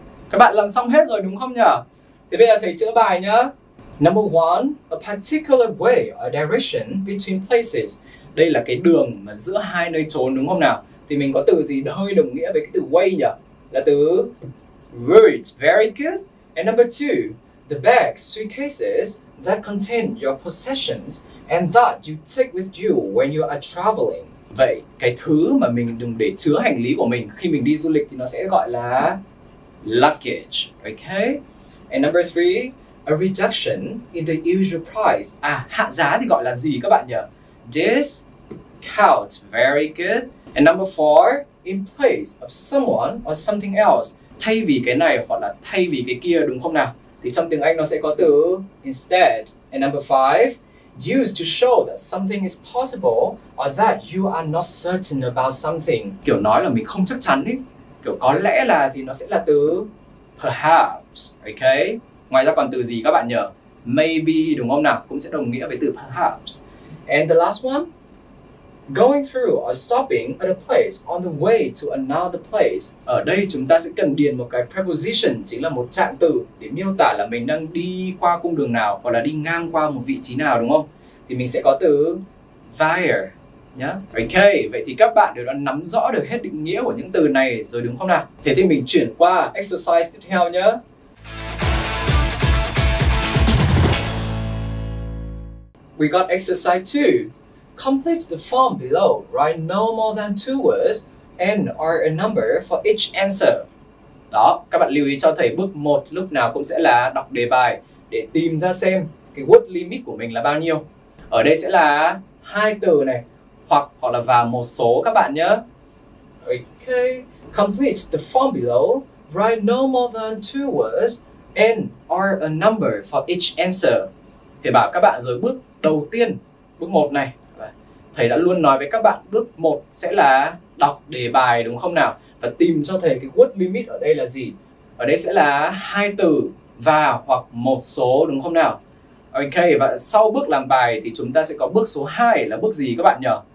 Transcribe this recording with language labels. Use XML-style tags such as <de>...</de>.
<vi>Các bạn làm xong hết rồi đúng không nhỉ? Thì bây giờ thầy chữa bài nhá.</vi> <en>Number 1, a particular way or direction between places.</en> <vi>Đây là cái đường mà giữa hai nơi trốn đúng không nào? Thì mình có từ gì hơi đồng nghĩa với cái từ way nhỉ? Là từ route,</vi> <en>very good. And number 2, the bag, suitcases that contain your possessions and that you take with you when you are traveling.</en> <vi>Vậy cái thứ mà mình dùng để chứa hành lý của mình khi mình đi du lịch thì nó sẽ gọi là luggage, okay?</vi> <en>And number 3, a reduction in the usual price.</en> <vi>À, hạ giá thì gọi là gì các bạn nhỉ?</vi> <en>Discount, very good. And number 4, in place of someone or something else.</en> <vi>Thay vì cái này hoặc là thay vì cái kia đúng không nào? Thì trong tiếng Anh nó sẽ có từ instead.</vi> <en>And number 5, used to show that something is possible or that you are not certain about something.</en> <vi>Kiểu nói là mình không chắc chắn ý. Kiểu có lẽ là thì nó sẽ là từ perhaps, okay? Ngoài ra còn từ gì các bạn nhỉ? Maybe đúng không nào? Cũng sẽ đồng nghĩa với từ perhaps.</vi> <en>And the last one, going through or stopping at a place on the way to another place.</en> <vi>Ở đây chúng ta sẽ cần điền một cái preposition, chính là một trạng từ để miêu tả là mình đang đi qua cung đường nào hoặc là đi ngang qua một vị trí nào đúng không? Thì mình sẽ có từ via nhá. Ok, vậy thì các bạn đều đã nắm rõ được hết định nghĩa của những từ này rồi đúng không nào? Thế thì mình chuyển qua exercise tiếp theo nhá.</vi> <en>We got exercise 2. Complete the form below, write no more than two words and or a number for each answer.</en> <vi>Đó, các bạn lưu ý cho thầy bước 1 lúc nào cũng sẽ là đọc đề bài để tìm ra xem cái word limit của mình là bao nhiêu. Ở đây sẽ là hai từ này, hoặc là vào một số các bạn nhé.</vi> <en>Ok, complete the form below, write no more than two words and or a number for each answer.</en> <vi>Thầy bảo các bạn rồi bước đầu tiên, bước 1 này. Thầy đã luôn nói với các bạn bước 1 sẽ là đọc đề bài đúng không nào? Và tìm cho thầy cái word limit ở đây là gì? Ở đây sẽ là hai từ và hoặc một số đúng không nào? Ok, và sau bước làm bài thì chúng ta sẽ có bước số 2 là bước gì các bạn nhỉ?</vi>